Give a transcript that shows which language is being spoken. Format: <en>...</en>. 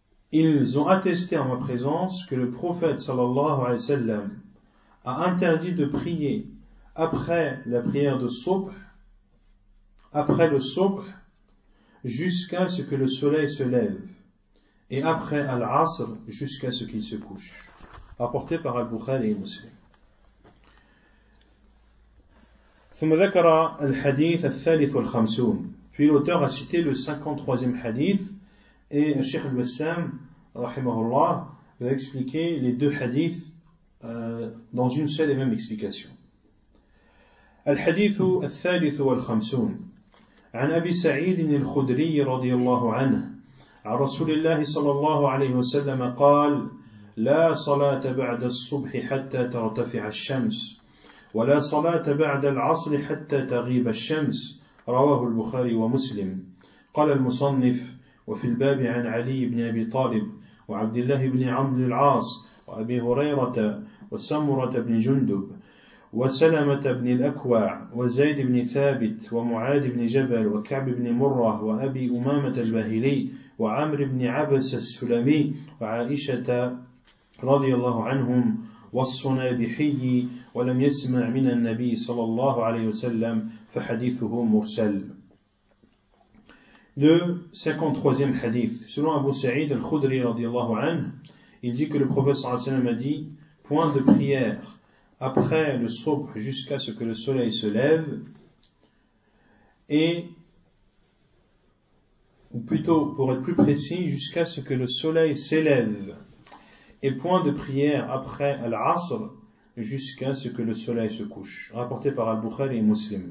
<fr>Ils ont attesté en ma présence que le prophète sallallahu alayhi wa sallam a interdit de prier après la prière de Subh après le Subh jusqu'à ce que le soleil se lève et après Al-Asr jusqu'à ce qu'il se couche. Rapporté par Al-Bukhari et Muslim.</fr> <ar>ثم ذكر الحديث الثالث والخمسون.</ar> <fr>Puis l'auteur a cité le 53e hadith et Cheikh Al-Bassam rahimahullah va expliquer les deux hadiths dans une seule et même explication.</fr> <ar>الحديث الثالث والخمسون عن أبي سعيد الخدري رضي الله عنه عن رسول الله صلى الله عليه وسلم قال لا صلاة بعد الصبح حتى ترتفع الشمس ولا صلاة بعد العصر حتى تغيب الشمس رواه البخاري ومسلم. قال المصنف وفي الباب عن علي بن أبي طالب وعبد الله بن عمرو العاص وأبي هريرة وسمرة بن جندب وسلمة بن الأكوع وزيد بن ثابت ومعاذ بن جبل وكعب بن مرة وأبي أمامة الباهلي وعمر بن عبس السلمي وعائشة رضي الله عنهم والصنابحي ولم يسمع من النبي صلى الله عليه وسلم فحديثه مرسل.</ar> <fr>Le 53e hadith. Selon Abu Sa'id al-Khudri radiallahu anhu, il dit que le prophète sallallahu alayhi wa sallam a dit « Point de prière après le subh jusqu'à ce que le soleil se lève et, ou plutôt pour être plus précis, jusqu'à ce que le soleil s'élève et point de prière après al-Asr jusqu'à ce que le soleil se couche. » Rapporté par Al-Bukhari et Muslim.</fr>